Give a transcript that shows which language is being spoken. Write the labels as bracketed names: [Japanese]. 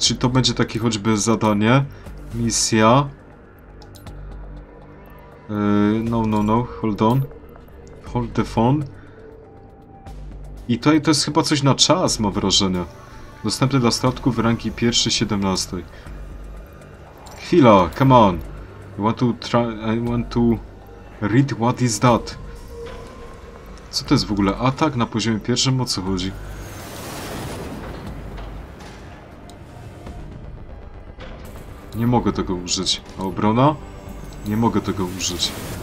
[Polish] Czyli to będzie takie choćby zadanie. Misja. [English] No, no, no, hold on. Hold the phone. [Polish] I tutaj to jest chyba coś na czas, mam wrażenie. Dostępny dla statków rangi 1-17. Chwila, [English] come on. I want to read what is that? [Polish] Co to jest w ogóle? Atak na poziomie pierwszym, o co chodzi? Nie mogę tego użyć. A obrona? Nie mogę tego użyć.